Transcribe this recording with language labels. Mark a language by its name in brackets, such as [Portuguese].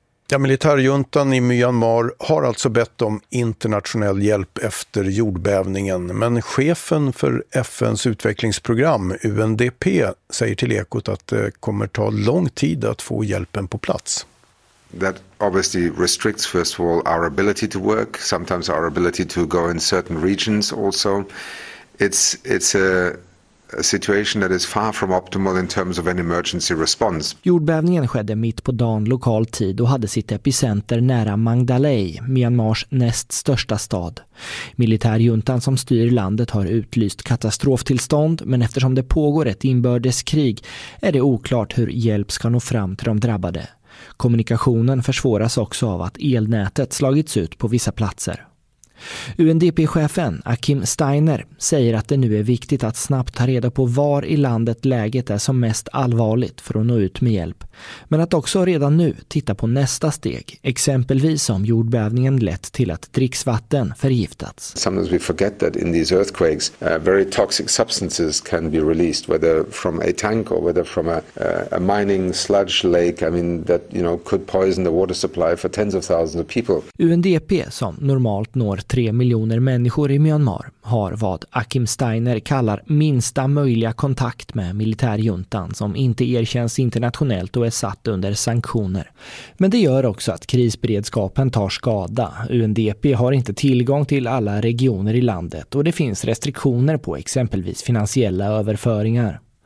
[Swedish] Ja, militärjuntan i Myanmar har alltså bett om internationell hjälp efter jordbävningen. Men chefen för FNs utvecklingsprogram, UNDP, säger till Ekot att det kommer ta lång tid att få hjälpen på plats. [English] That obviously restricts first of all our ability to work, sometimes our ability to go in certain regions also. It's a situation that is far from optimal in terms of an emergency response. [Swedish] Jordbävningen skedde mitt på dagen lokal tid och hade sitt epicenter nära Mandalay, Myanmars näst största stad. Militärjuntan som styr landet har utlyst katastroftillstånd, men eftersom det pågår ett inbördeskrig är det oklart hur hjälp ska nå fram till de drabbade. Kommunikationen försvåras också av att elnätet slagits ut på vissa platser. UNDP-chefen Akim Steiner säger att det nu är viktigt att snabbt ta reda på var i landet läget är som mest allvarligt för att nå ut med hjälp. Men att också redan nu titta på nästa steg, exempelvis om jordbävningen lett till att dricksvatten förgiftats. [English] Sometimes we forget that in these earthquakes very toxic substances can be released, whether from a tank or whether from a mining sludge lake. I mean that, you know, could poison the water supply for tens of thousands of people. [Swedish] UNDP, som normalt når 3 miljoner människor i Myanmar, har vad Akim Steiner kallar minsta möjliga kontakt med militärjuntan som inte erkänns internationellt och är satt under sanktioner. Men det gör också att krisberedskapen tar skada. UNDP har inte tillgång till alla regioner i landet och det finns restriktioner på exempelvis finansiella överföringar.